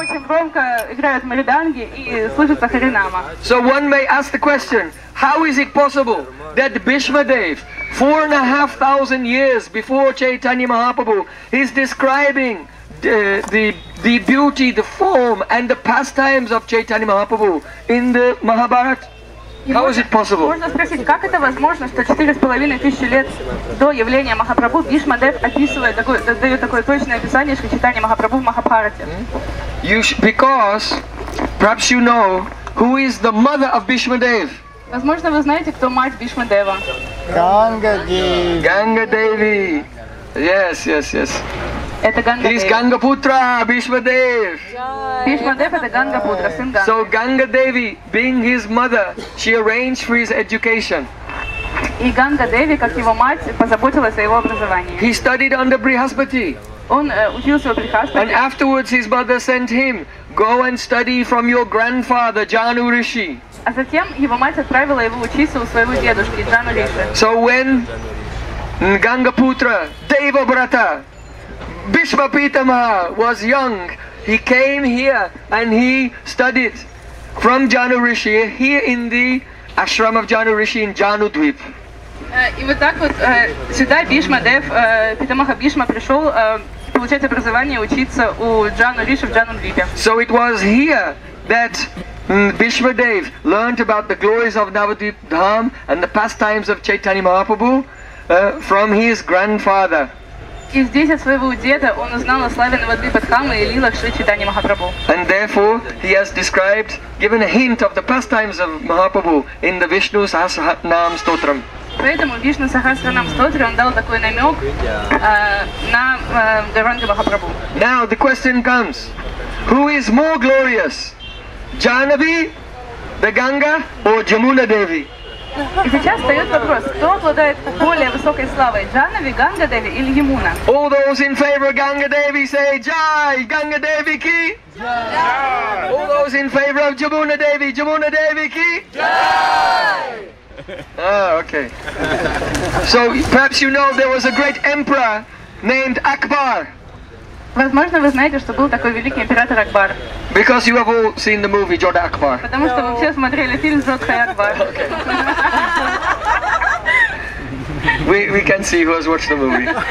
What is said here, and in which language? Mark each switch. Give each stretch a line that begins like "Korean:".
English: So one may ask the question, how is it possible that Bhishma Dev, 4,500 years before Chaitanya Mahaprabhu, is describing the beauty, the form and the pastimes of Chaitanya Mahaprabhu in the Mahabharata? How is it possible?
Russian: Можно спросить, как это возможно, что 4,500 лет до явления Махапрабху Бишма Дев описывает такое, дает такое точное описание, что читание Махапрабху в Махабхарате?
English: Because perhaps you know who is the mother of Bhishma Dev.
Russian: Возможно, вы знаете, кто мать Бишма Дева? Ганга Деви.
English: Ганга Деви. Yes, yes, yes.
Russian: Это Ганга Деви.
English: He's Ганга Путра, Бишма Дев. Bhishma Dev is Ganga Putra, son Ganga. So Ganga Devi, being his mother, she arranged for his education.
Russian: И Ганга Деви, как его мать, позаботилась о его образовании.
English: He studied under Brihaspati.
Russian: Он учился у Брихаспати.
English: And afterwards his mother sent him, go and study from your grandfather, Janu Rishi.
Russian: А затем его мать отправила его учиться у своего дедушки, Джану Риши.
English: So when Ганга Путра, Дева Брата, Бишма Питама was young, he came here and he studied from Janu Rishi here in the ashram of Janu Rishi in Janu Dweep.
Russian: И вот так вот сюда Бишма Дев, Питамаха Бишма пришел получать образование, учиться у Джану Риши в Джану Двипе.
English: So it was here that Бишма Дев learned about the glories of Navadvip Dham and the pastimes of Chaitanya Mahaprabhu from his grandfather.
Russian: И здесь от своего деда он узнал о славе Навадвипа Дхамы и лилах Шри Чайтаньи Махапрабху.
English: And therefore he has described, given a hint of the pastimes of Mahaprabhu in the Vishnu Sahasranam Stotram.
Russian: Поэтому Вишну Сахасранам Стотре он дал такой намек на Гауранга Махапрабху.
English: Now the question comes, who is more glorious, Janavi, the Ganga, or Jamuna Devi?
Russian: И сейчас встает вопрос, кто обладает более высокой славой, Джанави, Ганга Деви или Ямуна?
English: All those in favor of Ganga Devi say Jai, Ganga Devi ki!
Hindi: Jai!
English: All those in favor of Jamuna Devi, Jamuna Devi ki!
Hindi: Jai!
English: Okay. So perhaps you know there was a great emperor named Akbar.
Russian: Возможно, вы знаете, что был такой великий император Акбар.
English: Because you have all seen the movie Jodha Akbar.
Russian: Потому что вы все смотрели фильм Jodha Akbar.
English: We can see who has watched the movie.